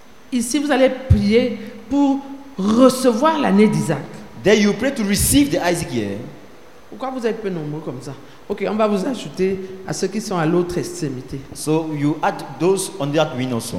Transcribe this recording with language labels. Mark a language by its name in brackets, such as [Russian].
[French] Ici vous allez prier pour recevoir l'année d'Isaac. [English] There you pray to receive the Isaac here. [French] Pourquoi vous êtes peu nombreux comme ça? Ok, on va vous ajouter à ceux qui sont à l'autre extrémité. [English] So you add those on that wing also.